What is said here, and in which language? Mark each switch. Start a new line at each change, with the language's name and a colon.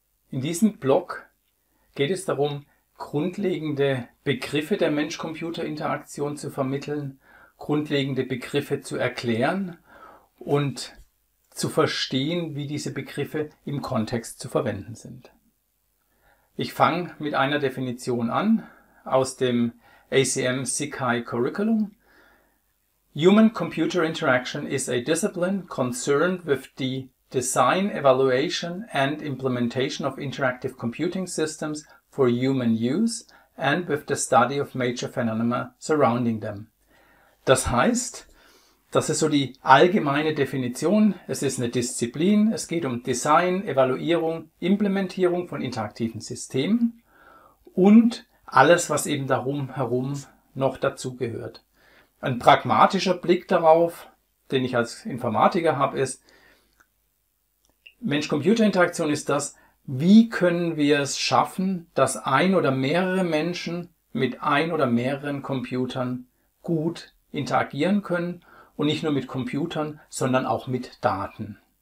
German: In diesem Blog geht es darum, grundlegende Begriffe der Mensch-Computer-Interaktion zu vermitteln, grundlegende Begriffe zu erklären und zu verstehen, wie diese Begriffe im Kontext zu verwenden sind. Ich fange mit einer Definition an, aus dem ACM Sikai Curriculum.
English: Human-Computer Interaction is a discipline concerned with the design, evaluation and implementation of interactive computing systems for human use and with the study of major phenomena surrounding them.
German: Das heißt, das ist so die allgemeine Definition. Es ist eine Disziplin. Es geht um Design, Evaluierung, Implementierung von interaktiven Systemen und alles, was eben darum herum noch dazugehört. Ein pragmatischer Blick darauf, den ich als Informatiker habe, ist, Mensch-Computer-Interaktion ist das, wie können wir es schaffen, dass ein oder mehrere Menschen mit ein oder mehreren Computern gut interagieren können und nicht nur mit Computern, sondern auch mit Daten.